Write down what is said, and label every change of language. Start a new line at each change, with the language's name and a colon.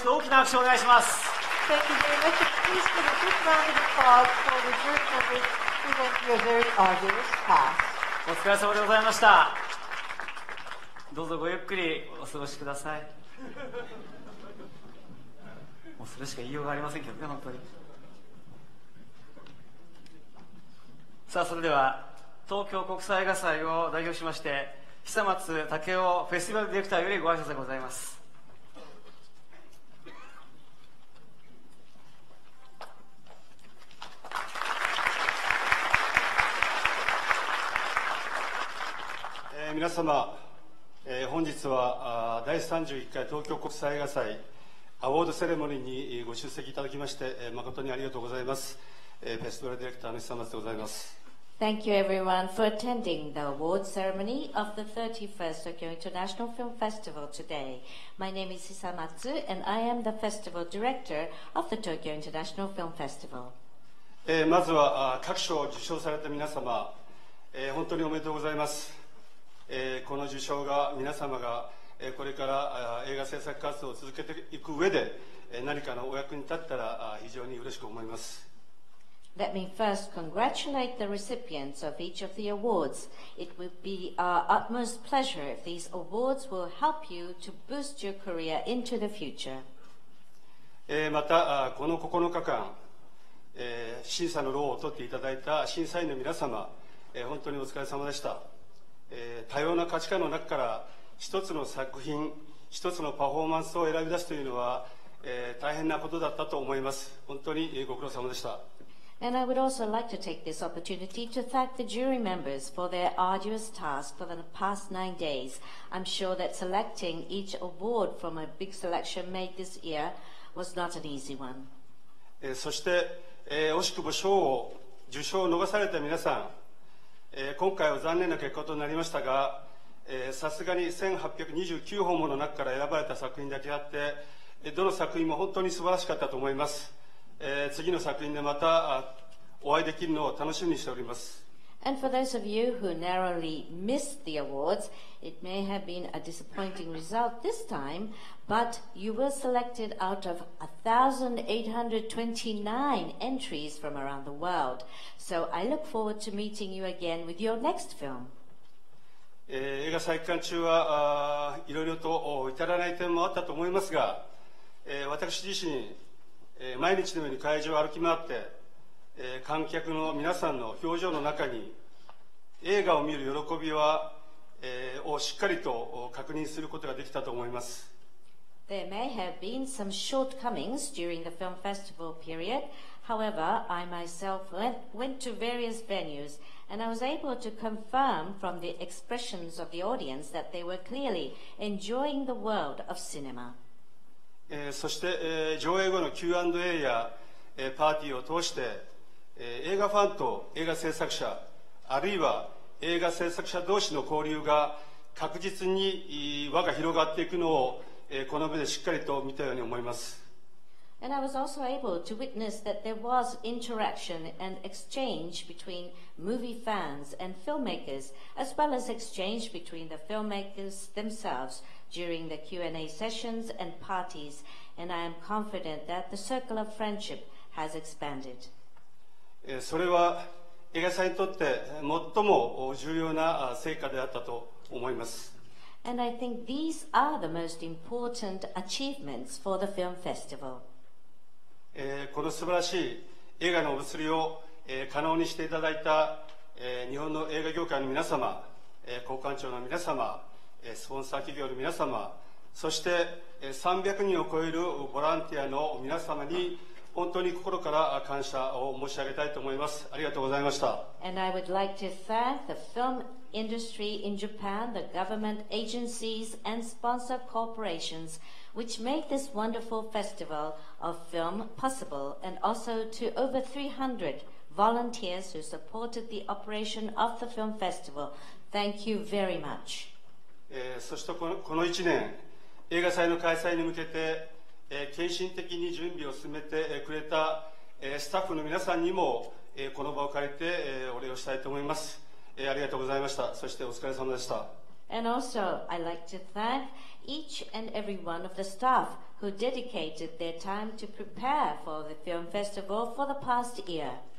English: Please give a big round of applause for the jury members who went through a very arduous task.
Japanese: お疲れ様でございました。どうぞごゆっくりお過ごしください。もうそれしか言いようがありませんけどね、本当に。さあ、それでは東京国際映画祭を代表しまして久松武雄フェスティバルディレクターよりご挨拶でございます。皆様、本日は第31回東京国際映画祭アウォードセレモニーにご出席いただきまして誠にありがとうございます。フェスティバルディレクターの久松でございます。
English: Thank you everyone for attending the award ceremony of the 31st Tokyo International Film Festival today. My name is Hisamatsu and I am the festival director of the Tokyo International Film Festival.
Japanese: まずは各賞を受賞された皆様、本当におめでとうございます。この受賞が皆様がこれから映画制作活動を続けていく上で何かのお役に立ったら非常に嬉しく思います。
English: Let me first congratulate the recipients of each of the awards. It would be our utmost pleasure if these awards will help you to boost your career into the future.
Japanese: またこの9日間審査の労を取っていただいた審査員の皆様、本当にお疲れ様でした。多様な価値観の中から一つの作品、一つのパフォーマンスを選び出すというのは、大変なことだったと思います。本当にご苦労様でした。
English: And I would also like to take this opportunity to thank the jury members for their arduous task for the past 9 days. I'm sure that selecting each award from a big selection made this year was not an easy one.
Japanese: そして、惜しくも賞を受賞を逃された皆さん、今回は残念な結果となりましたが、さすがに1829本もの中から選ばれた作品だけあって、どの作品も本当に素晴らしかったと思います。次の作品でまたお会いできるのを楽しみにしております。
English: And for those of you who narrowly missed the awards, it may have been a disappointing result this time, but you were selected out of 1,829 entries from around the world. So I look forward to meeting you again with your next film.
Japanese: 映画祭期間中はいろいろと至らない点もあったと思いますが、私自身、毎日のように会場を歩き回って、観客の皆さんの表情の中に映画を見る喜びは、をしっかりと確認することができたと思います。
English: There may have been some shortcomings during the film festival period. However, I myself went to various venues and I was able to confirm from the expressions of the audience that they were clearly enjoying the world of cinema.
Japanese: そして、上映後の Q&A や、パーティーを通して、映画ファンと映画制作者、あるいは映画制作者同士の交流が確実に輪が広がっていくのをこの目でしっかりと見たように思います。
English: And I was also able to witness that there was interaction and exchange between movie fans and filmmakers, as well as exchange between the filmmakers themselves during the Q&A sessions and parties, and I am confident that the circle of friendship has expanded.
Japanese: それは映画祭にとって最も重要な成果であったと思います。
English: And I think these are the most important achievements for the film festival.
Japanese: この素晴らしい映画のお祭りを可能にしていただいた日本の映画業界の皆様、交換庁の皆様、スポンサー企業の皆様、そして300人を超えるボランティアの皆様に本当に心から感謝を申し上げたいと思います。ありがとうございました。
English: And I would like to thank the film industry in Japan, the government agencies and sponsor corporations which make this wonderful festival of film possible, and also to over 300 volunteers who supported the operation of the film festival. Thank you very much.
Japanese: そしてこの1年、映画祭の開催に向けて献身的に準備を進めてくれたスタッフの皆さんにもこの場を借りてお礼をしたいと思います。ありがとうございました。そしてお疲れ様でした。
English: And also I'd like to thank each and every one of the staff who dedicated their time to prepare for the film festival for the past year.